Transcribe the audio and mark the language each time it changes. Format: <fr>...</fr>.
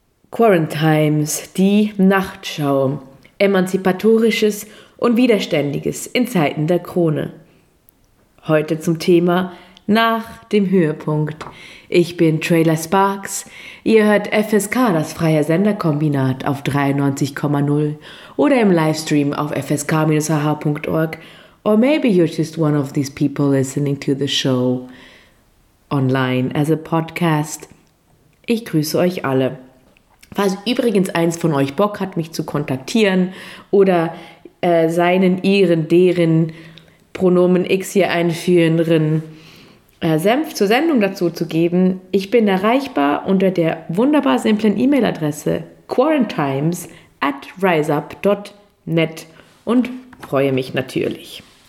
<de>Quarantimes, die Nachtschau. Emanzipatorisches und Widerständiges in Zeiten der Krone. Heute zum Thema nach dem Höhepunkt. Ich bin Trailer Sparks. Ihr hört FSK, das freie Senderkombinat, auf 93,0 oder im Livestream auf fsk-ah.org.</de> <en>Or maybe you're just one of these people listening to the show online as a podcast.</en> <de>Ich grüße euch alle. Falls übrigens eins von euch Bock hat, mich zu kontaktieren oder seinen, ihren, deren Pronomen X hier einführenden Senf zur Sendung dazu zu geben, ich bin erreichbar unter der wunderbar simplen E-Mail-Adresse quarantimes@riseup.net und freue mich natürlich.</de>